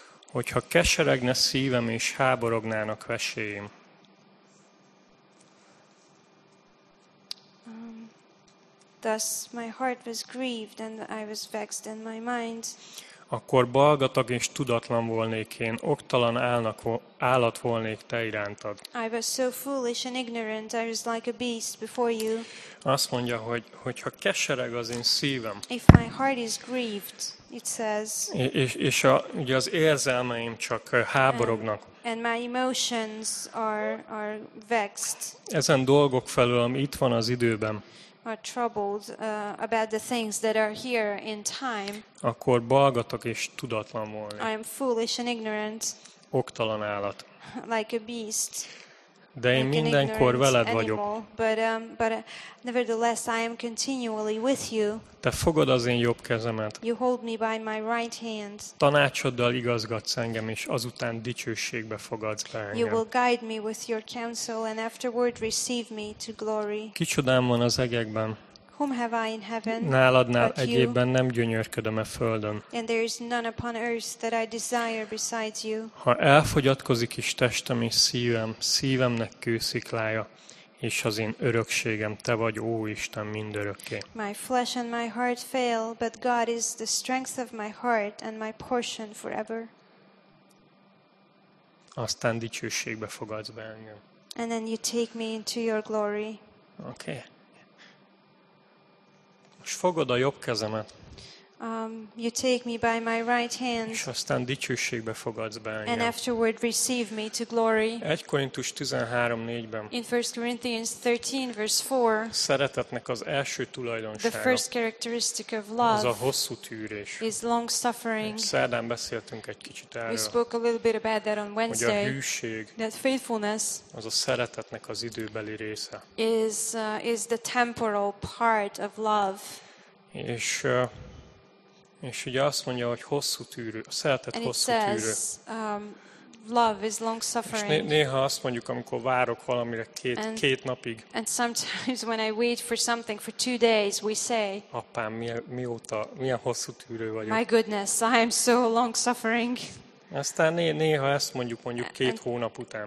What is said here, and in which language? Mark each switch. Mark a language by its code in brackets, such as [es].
[hu] hogyha keseregne szívem és háborognának veséim. [en] Thus my heart was grieved and I was vexed in my mind. [hu] Akkor balgatag és tudatlan volnék én, oktalan állat volnék te irántad. [en] I was so foolish and ignorant, I was like a beast before you. [hu] Azt mondja, hogy ha kesereg az én szívem. [en] If my heart is grieved, it says. [hu] És ugye az érzelmeim csak háborognak. [en] And my emotions are vexed. [hu] Ezen dolgok felül, ami itt van az időben. [en] Are troubled about the things that are here in time. [hu] Akkor balgatok és tudatlan volni. [en] I am foolish and ignorant. [hu] Oktalan állat. [en] Like a beast. [hu] De én mindenkor veled vagyok. [en] But nevertheless I am continually with you. [hu] Te fogod az én jobb kezemet. [en] You hold me by my right hand. [hu] Tanácsoddal igazgatsz engem és azután dicsőségbe fogadsz be engem. [en] You will guide me with your counsel and afterward receive me to glory. [hu] Kicsodám van az egekben. [en] Whom have I in heaven? [hu] Náladnál egyébben nem gyönyörködöm a földön. [en] And there is none upon earth that I desire besides you. [hu] Ha elfogyatkozik is testem és szívem, szívemnek kősziklája, és az én örökségem te vagy, ó Isten, mindörökké. [en] My flesh and my heart fail, but God is the strength of my heart and my portion forever. [hu] Aztán dicsőségbe fogadsz be engem. [en] And then you take me into your glory. Okay. [hu] És fogod a jobb kezemet. [en] You take me by my right hand. [hu] És aztán dicsőségbe fogadsz be engem. [en] And afterward receive me to glory. [hu] 1 Korintus 13:4-ben. [en] In 1 Corinthians 13 verse 4. [hu] Szeretetnek az első tulajdonsága. [en] The first characteristic of love. [hu] Az a hosszú tűrés. [en] Is long suffering. [hu] Szerdán beszéltünk egy kicsit erről. [en] We spoke a little bit about that on Wednesday. [hu] Hogy a hűség. [en] That faithfulness. [hu] Az a szeretetnek az időbeli része. [en] Is the temporal part of love. [hu] És ugye azt mondja, hogy hosszú tűrő, a szeretet hosszú [en] says, [hu] tűrő. [en] Love is long suffering. [hu] És néha azt mondjuk, amikor várok valamire két napig. [en] And sometimes when I wait for something for 2 days, we say. [hu] Apám, mióta, milyen hosszú tűrő vagyok. [en] My goodness, I am so long suffering. [hu] Aztán néha ezt mondjuk két hónap után.